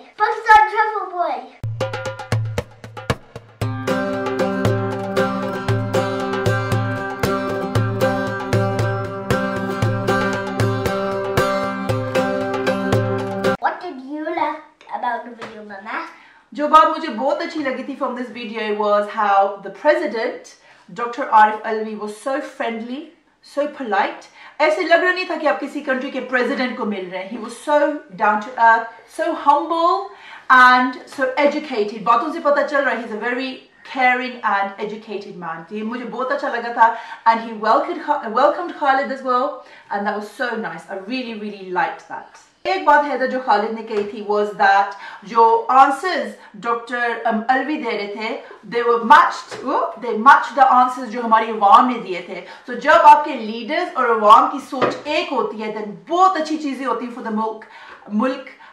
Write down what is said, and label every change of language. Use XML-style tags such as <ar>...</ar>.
<en>What did you like about the video, Mama?</en> <hi>Jo baat mujhe bahut achhi lagi thi</hi> <en>from this video was how the president, Dr. Arif Alvi, was so friendly, so polite.</en> <hi>ऐसे लग रहा नहीं था कि आप किसी country के president को मिल रहे हैं.</hi> <en>He was so down to earth, so humble and so educated.</en> <hi>बातों से पता चल रहा है,</hi> <en>he's a very caring and educated man.</en> <hi>ये मुझे बहुत अच्छा लगा था.</hi> <en>And he welcomed Khalid as well. And that was so nice. I really, really liked that.</en> <hi>एक बात है जो खालिद ने कही थी</hi> <en>was that</en> <hi>जो आंसर्स डॉक्टर अलवी दे रहे थे</hi> <en>they matched the answers</en> <hi>जो हमारी अवाम ने दिए थे. सो जब आपके लीडर्स और अवाम की सोच एक होती है देन बहुत अच्छी चीजें होती हैं</hi> <en>for the</en> <hi>मुल्क.</hi>